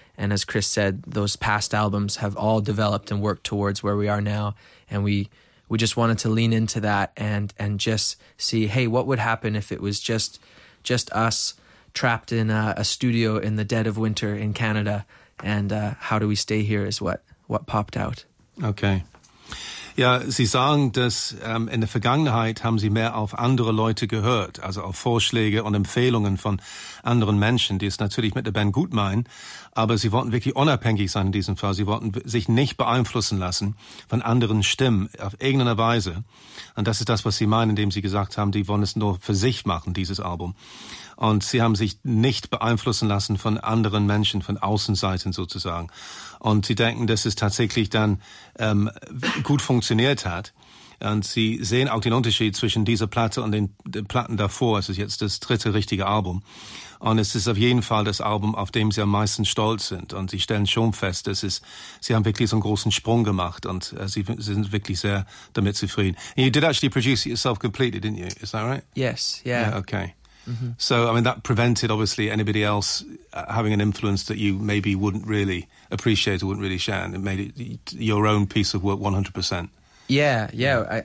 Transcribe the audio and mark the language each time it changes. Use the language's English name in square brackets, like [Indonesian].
[English] And as Chris said, those past albums have all developed and worked towards where we are now. And we just wanted to lean into that and just see, hey, what would happen if it was just us trapped in a studio in the dead of winter in Canada, and how do we stay here is what popped out. Okay. [German] Ja, Sie sagen, dass in der Vergangenheit haben Sie mehr auf andere Leute gehört, also auf Vorschläge und Empfehlungen von anderen Menschen, die es natürlich mit der Band gut meinen, aber Sie wollten wirklich unabhängig sein in diesem Fall. Sie wollten sich nicht beeinflussen lassen von anderen Stimmen auf irgendeine Weise. Und das ist das, was Sie meinen, indem Sie gesagt haben, die wollen es nur für sich machen, dieses Album. Und Sie haben sich nicht beeinflussen lassen von anderen Menschen, von Außenseiten sozusagen. Und Sie denken, dass es tatsächlich dann gut funktioniert hat. Und Sie sehen auch den Unterschied zwischen dieser Platte und den Platten davor. Es ist jetzt das dritte richtige Album. Und es ist auf jeden Fall das Album, auf dem Sie am meisten stolz sind. Und Sie stellen schon fest, dass es, Sie haben wirklich so einen großen Sprung gemacht. Und Sie sind wirklich sehr damit zufrieden. [English] And you did actually produce it yourself completely, didn't you? Is that right? Yes, yeah. Yeah, okay. Mm-hmm. So, I mean, that prevented, obviously, anybody else having an influence that you maybe wouldn't really appreciate or wouldn't really share. And it made it your own piece of work 100%. Yeah.